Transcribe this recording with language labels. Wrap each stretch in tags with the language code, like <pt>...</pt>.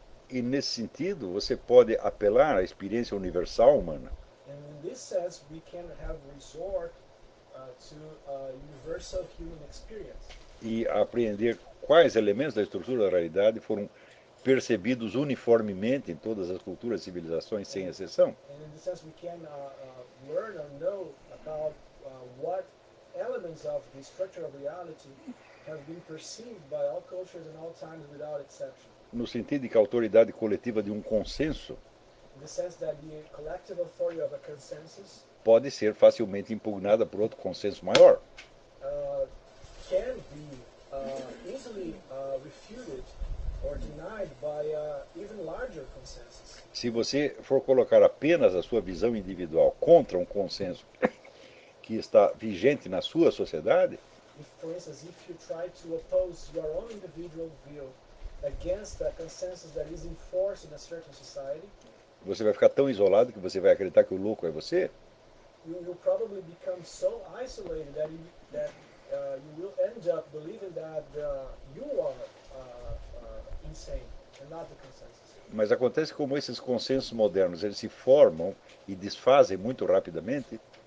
<pt>E nesse sentido, você pode apelar à experiência universal humana.</pt> <en>And in this sense, we can have resort to a universal human experience.</en> <pt>E aprender quais elementos da estrutura da realidade foram percebidos uniformemente em todas as culturas e civilizações, sem exceção.</pt> <en>And in this sense, we can learn or know about what elements of the structure of reality have been perceived by all cultures and all times without exception.</en> <pt>No sentido de que a autoridade coletiva de um consenso,</pt> <en>in the sense that the collective authority of a consensus,</en> <pt>pode ser facilmente impugnada por outro consenso maior.</pt> <en>Can be easily refuted or denied by an even larger consensus.</en> <pt>Se você for colocar apenas a sua visão individual contra um consenso que está vigente na sua sociedade,</pt> <en>if, for instance, if you try to oppose your own individual view against a consensus that is enforced in a certain society,</en> <pt>você vai ficar tão isolado que você vai acreditar que o louco é você.</pt> <en>You will probably become so isolated that you will end up believing that you are insane and not the consensus.</en> <pt>Mas acontece como esses consensos modernos, eles se formam e desfazem muito rapidamente.</pt>